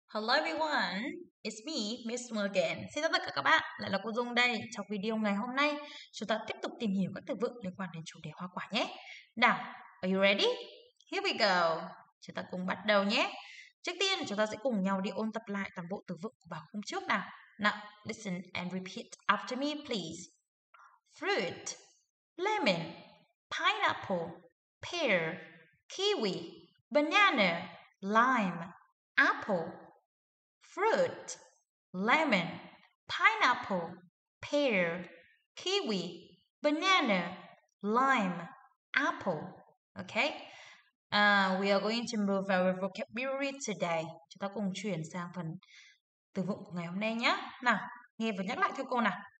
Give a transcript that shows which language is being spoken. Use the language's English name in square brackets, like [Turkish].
[English] Hello everyone, it's me, Miss Morgan. [Vietnamese] Xin chào tất cả các bạn, lại là cô Dung đây. Trong video ngày hôm nay, chúng ta tiếp tục tìm hiểu các từ vựng liên quan đến chủ đề hoa quả nhé. Nào, [English] are you ready? Here we go. [Vietnamese] Chúng ta cùng bắt đầu nhé. Trước tiên, chúng ta sẽ cùng nhau đi ôn tập lại toàn bộ từ vựng của bài hôm trước nào. [English] Now, listen and repeat after me, please. Fruit, lemon, pineapple, pear, kiwi, banana, lime, apple. Fruit, lemon, pineapple, pear, kiwi, banana, lime, apple. Okay? We are going to move our vocabulary today. [Vietnamese] Chúng ta cùng chuyển sang phần từ vựng của ngày hôm nay nhé. Nào, nghe và nhắc lại theo cô nào.